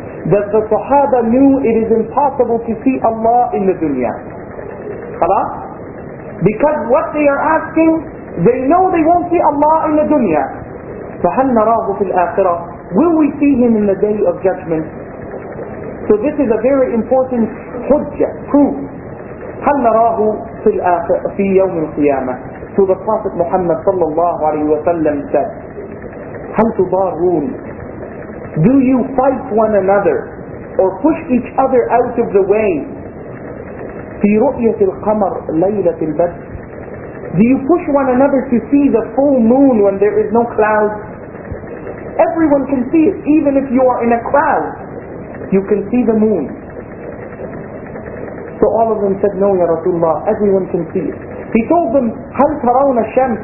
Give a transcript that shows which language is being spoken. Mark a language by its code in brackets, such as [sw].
[en] That the Sahaba knew it is impossible to see Allah in the dunya. Khalas? Because what they are asking, they know they won't see Allah in the dunya. [ar] فهل نراه في الآخرة? [en] Will we see him in the day of judgment? So this is a very important hujjah, proof. [ar] هل نراه في الآخرة في يوم القيامة? [en] So the Prophet Muhammad [ar] صلى الله عليه وسلم said, هل تضارون? [en] Do you fight one another or push each other out of the way? [ar] في رؤية القمر ليلة البدر. [en] Do you push one another to see the full moon when there is no cloud? Everyone can see it, even if you are in a cloud. You can see the moon. So all of them said, no, Ya Rasulullah, everyone can see it. He told them, [ar] هل ترون الشمس?